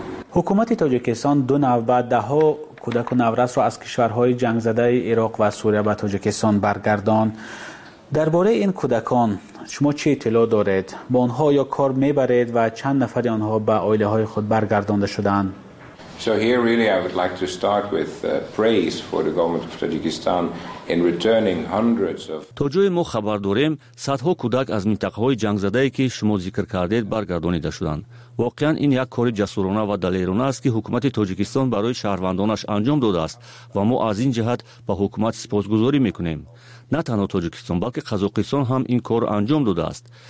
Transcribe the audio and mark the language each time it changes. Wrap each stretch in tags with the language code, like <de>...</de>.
<fa>حکومت تاجیکستان دو نوبت ده‌ها کودک و نوراس را از کشورهای جنگ زده عراق و سوریه به تاجیکستان برگردان. درباره این کودکان شما چه اطلاع دارید؟ با آنها یا کار میبرید و چند نفر آنها به آیله های خود برگردانده شدند؟</fa> <en>So here really I would like to start with praise for the government of Tajikistan in returning hundreds of</en> <fa>تا جایی ما خبر داریم صدها کودک از منطقه های جنگ زده ای که شما ذکر کردید برگردانیده شدند. واقعا این یک کار جسورانه و دلیرانه است که حکومت تاجیکستان برای شهروندانش انجام داده است و ما از این جهت به حکومت سپاسگزاری میکنیم. نه تنها تاجیکستان بلکه قزاقستان هم این کار انجام داده است.</fa>